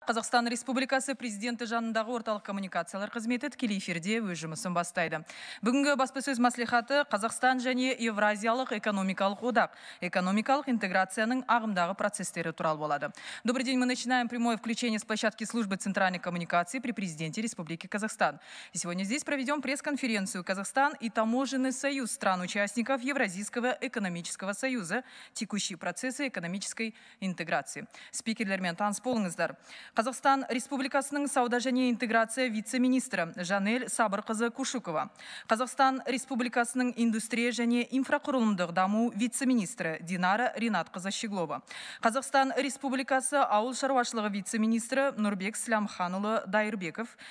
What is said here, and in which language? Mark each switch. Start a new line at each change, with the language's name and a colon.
Kazakh: Қазақстан Республикасы президенті жанындағы орталық коммуникациялар қызметі тікелей эфирде өз жұмысын бастайды. Бүгінгі баспасөз мәслихаты Қазақстан және Евразиялық экономикалық одақ, экономикалық интеграцияның ағымдағы процестері туралы болады.
Russian: Добрый день, мы начинаем прямое включение с площадки службы центральной коммуникации при президенте Республики Казахстан. И сегодня здесь проведем пресс-конференцию «Казахстан и таможенный союз стран-участников Евразийского экономического союза. Текущие процессы экономической интеграции».
Kazakh: Спикер Лермен Полыңыздар. Қазақстан Республикасының сауда және интеграция вице-министрі Жанель Сабырқызы Кушукова. Қазақстан Республикасының индустрия және инфрақұрылымдық даму вице-министрі Динара Ринатқызы Щеглова. Қазақстан Республикасы ауыл шаруашылығы вице-министрі Нұрбек Сламханұлы Дайырбеков.